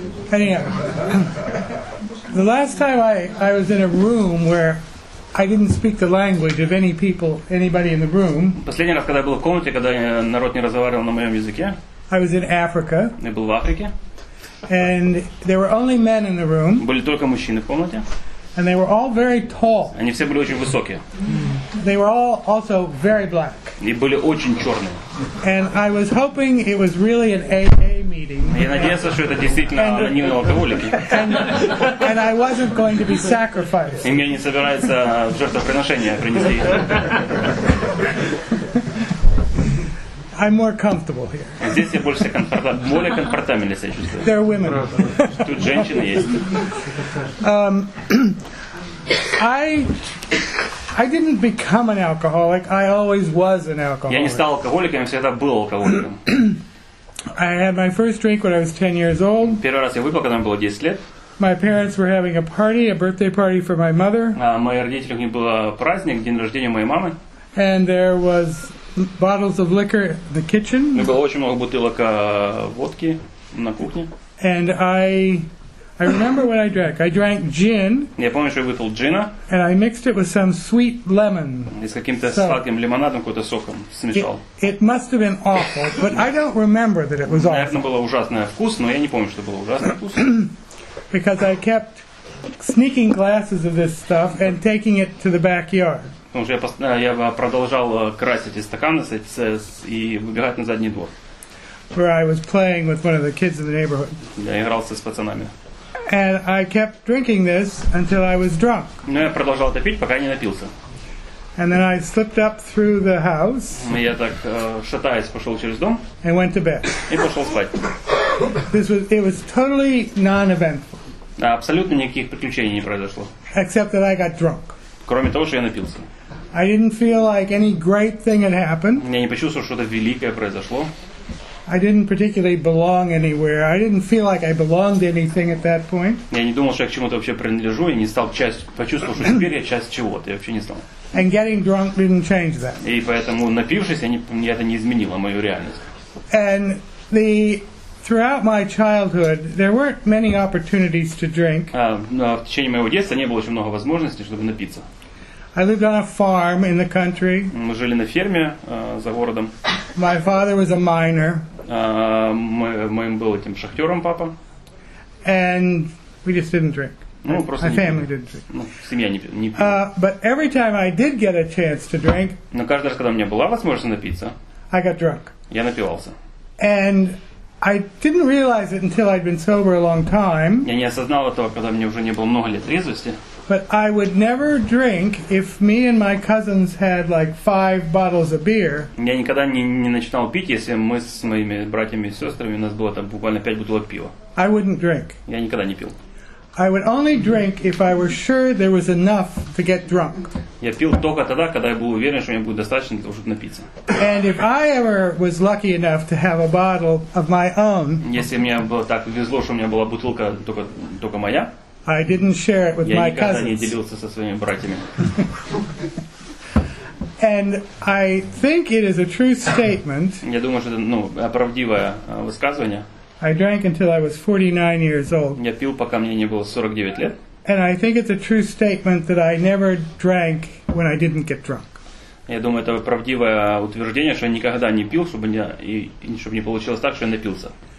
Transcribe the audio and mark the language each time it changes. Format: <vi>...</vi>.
<en>Anyhow, the last time I was in a room where I didn't speak the language of any people, anybody in the room.</en> <ru>Последний раз, когда я был в комнате, когда народ не разговаривал на моем языке.</ru> <en>I was in Africa.</en> <ru>Я был в Африке.</ru> <en>And there were only men in the room.</en> <ru>Были только мужчины в комнате.</ru> <en>And they were all very tall.</en> <ru>Они все были очень высокие.</ru> <en>They were all also very black.</en> <ru>И были очень черные.</ru> <en>And I was hoping it was really an AA meeting.</en> <ru>Я надеялся, что это действительно анонимные алкоголики.</ru> <en>And I wasn't going to be sacrificed.</en> <ru>И мне не собирается жертвоприношение принести.</ru> <en>I'm more comfortable here.</en> <ru>Здесь я больше комфортабельно себя чувствую.</ru> <en>There are women.</en> <ru>Тут женщины есть.</ru> <en>I didn't become an alcoholic. I always was an alcoholic.</en> <ru>Я не стал алкоголиком, я всегда был алкоголиком.</ru> <en>I had my first drink when I was 10 years old.</en> <ru>Первый раз я выпил, когда мне было 10 лет.</ru> <en>My parents were having a party, a birthday party for my mother.</en> <ru>А мои родители, у них был праздник, день рождения моей мамы.</ru> <en>And there was bottles of liquor in the kitchen.</en> <ru>У меня было очень много бутылок водки на кухне.</ru> <en>And I remember what I drank. I drank gin.</en> <ru>Я помню, что я выпил джина.</ru> <en>And I mixed it with some sweet lemon.</en> <ru>И с каким-то сладким лимонадом, какой-то соком смешал.</ru> <en>It must have been awful, but I don't remember that it was awful.</en> <ru>Наверное, было ужасный вкус, но я не помню, что было ужасный вкус.</ru> <en>Because I kept sneaking glasses of this stuff and taking it to the backyard.</en> <ru>Потому что я продолжал красить эти стаканы и выбегать на задний двор.</ru> <en>Where I was playing with one of the kids in the neighborhood.</en> <ru>Я игрался с пацанами.</ru> <en>And I kept drinking this until I was drunk.</en> <ru>Но я продолжал это пить, пока не напился.</ru> <en>And then I slipped up through the house.</en> <ru>Я так шатаясь пошел через дом.</ru> <en>And went to bed.</en> <ru>И пошел спать.</ru> <en>It was totally non-eventful.</en> <ru>Абсолютно никаких приключений не произошло.</ru> <en>Except that I got drunk.</en> <ru>Кроме того, что я напился.</ru> <en>I didn't feel like any great thing had happened.</en> <ru>Я не почувствовал, что что-то великое произошло.</ru> <en>I didn't particularly belong anywhere. I didn't feel like I belonged to anything at that point.</en> <ru>Я не думал, что я к чему-то вообще принадлежу, и не стал часть, почувствовал, что теперь я часть чего-то, я вообще не знал.</ru> <en>And getting drunk didn't change that.</en> <ru>И поэтому, напившись, это не изменило мою реальность.</ru> <en>And throughout my childhood, there weren't many opportunities to drink.</en> <ru>В течение моего детства не было очень много возможностей, чтобы напиться.</ru> <en>I lived on a farm in the country.</en> <ru>Мы жили на ферме за городом.</ru> <en>My father was a miner.</en> <ru>Моим был этим шахтером папа.</ru> <en>And we just didn't drink. My family didn't drink.</en> <ru>Семья не пила.</ru> <en>But every time I did get a chance to drink.</en> <ru>Но каждый раз, когда у меня была возможность напиться.</ru> <en>I got drunk.</en> <ru>Я напивался.</ru> <en>And I didn't realize it until I'd been sober a long time.</en> <ru>Я не осознал этого, когда мне уже не было много лет трезвости.</ru> <en>But I would never drink if me and my cousins had like 5 bottles of beer.</en> <ru>Я никогда не начинал пить, если мы с моими братьями и сестрами, у нас было там буквально 5 бутылок пива.</ru> <en>I wouldn't drink.</en> <ru>Я никогда не пил.</ru> <en>I would only drink if I were sure there was enough to get drunk.</en> <ru>Я пил только тогда, когда я был уверен, что у меня будет достаточно для того, чтобы напиться.</ru> <en>And if I ever was lucky enough to have a bottle of my own.</en> <ru>Если мне было так везло, что у меня была бутылка только моя.</ru> <en>I didn't share it with my cousins.</en> <ru>Я никогда не делился со своими братьями.</ru> <en>And I think it is a true statement.</en> <ru>Я думаю, что это правдивое высказывание.</ru> <en>I drank until I was 49 years old.</en> <ru>Я пил, пока мне не было 49 лет.</ru> <en>And I think it's a true statement that I never drank when I didn't get drunk.</en> <ru>Я думаю, это правдивое утверждение, что я никогда не пил, чтобы не получилось так, что я напился.</ru>